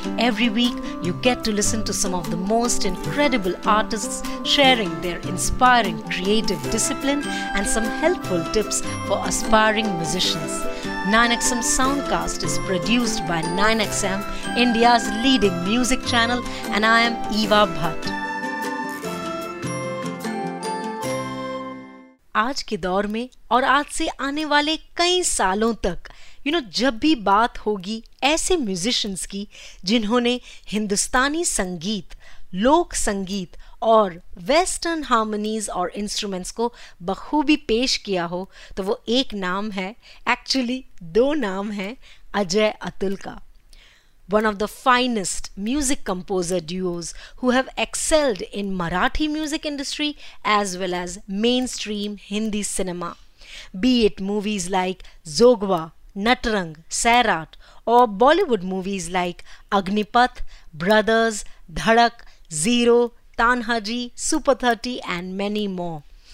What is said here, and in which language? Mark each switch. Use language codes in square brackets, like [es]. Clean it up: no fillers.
[en] Every week, you get to listen to some of the most incredible artists sharing their inspiring creative discipline and some helpful tips for aspiring musicians. 9XM Soundcast is produced by 9XM, India's leading music channel, and I am Eva Bhatt. [hi] आज के दौर में और आज से आने वाले कई सालों तक जब भी बात होगी ऐसे म्यूजिशंस की जिन्होंने हिंदुस्तानी संगीत, लोक संगीत और वेस्टर्न हार्मनीज और इंस्ट्रूमेंट्स को बखूबी पेश किया हो, तो वो एक नाम है, एक्चुअली दो नाम है, अजय अतुल का. [en] One of the finest music composer duos who have excelled in Marathi music industry as well as mainstream Hindi cinema. Be it movies like Zogwa, Natrang, Sairat or Bollywood movies like Agnipath, Brothers, Dhadak, Zero, Tanhaji, Super 30 and many more.